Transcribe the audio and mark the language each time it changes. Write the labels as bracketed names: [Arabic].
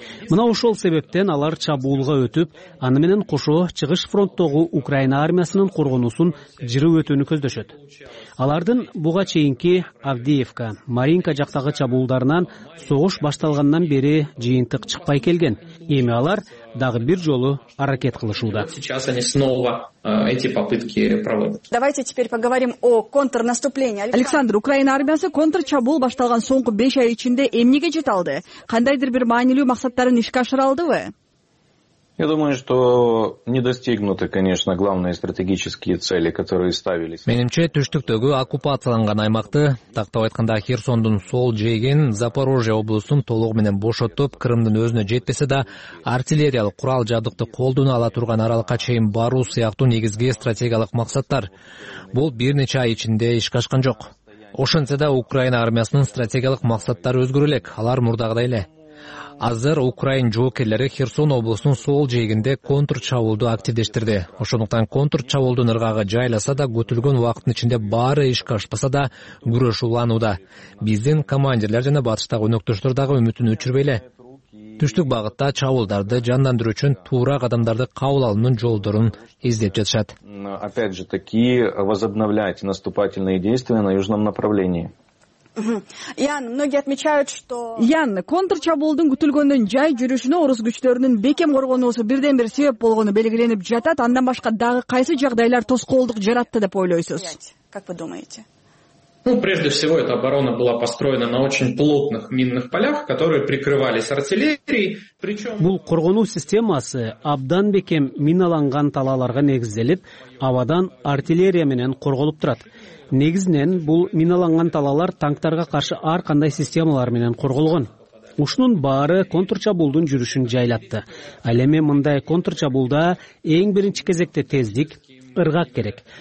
[Kyrgyz] Мына ошол себептен алар чабуулга өтүп, аны менен кошо чыгыш фронттогу Украина армиясынын коргоонусун жырып өтүүнү көздөшөт. Алардын буга чейинки Авдеевка, Маринка жактагы чабуулдарынан согуш башталгандан бери жыйынтык чыкпай келген. Эми алар дагы бир жолу аракет кылышууда. [Russian] Сейчас они снова эти попытки проводят. Давайте теперь поговорим о контрнаступлении. [Kyrgyz] Александр, Украина армиясы контрчабуул башталган соңку 5 ай ичинде эмнеге жеталды? Кандайдыр бир маанилүү максаттарын ишке ашыра алдыбы? [Russian] Я думаю, что не достигнуты, конечно, главные стратегические цели, которые ставились. [Kyrgyz] Менимче, түштүктөгү оккупацияланган аймакты, тактап айтканда Херсондун сол жээгин Запорожье облусун толугу менен бошотуп, Крымдын өзүнө жетпесе да, артиллериялык курал жабдыкты колдоно ала турган аралыкка чейин баруу сыяктуу негизги стратегиялык максаттар. Бул бир нече ай ичинде ишке ашкан жок. Ошентсе да, Украина армиясынын стратегиялык максаттары өзгөрө элек, алар мурдагыдай эле. Азыр Украин жоокерлери Херсон облусунун сол жээгинде контрчабуулду активдештирди. Ошондуктан контрчабуулдун ыргагы жайласа да, күтүлгөн убакыттын ичинде баары ишке ашпаса да, күрөш уланууда. Биздин командирлер жана батыштагы өнөктөштөр дагы үмүтүн өчүрбөй эле. Түштүк багытта чабуулдарды жандандыруу үчүн туура кадамдарды кабыл алуунун жолдорун издеп жатышат. [Russian] Опять же таки возобновлять наступательные действия на южном направлении. Ян, многие отмечают, что [Kyrgyz] Ян, контрчабуулдун күтүлгөндөн жай жүрүшүнө орус күчтөрүнүн бекем коргоонусу бирден бир себеп болгону белгиленип жатат. Андан башка дагы кайсы жагдайлар тоскоолдук жаратты деп ойлойсуз? [Russian] Как вы думаете? Ну, прежде всего, эта оборона была построена на очень плотных минных полях, которые прикрывались артиллерией, причём [Kyrgyz] бул коргоонуу системасы абдан бекем миналанган талааларга негизделип, абадан артиллерия менен корголуп турат. Негизинен бул миналанган талаалар танктарга каршы ар кандай системалар менен корголгон. Ушунун баары контрчабуулдун жүрүшүн жайлатты. Ал эми мындай контрчабуулда эң биринчи кезекте тездик, ыргак керек.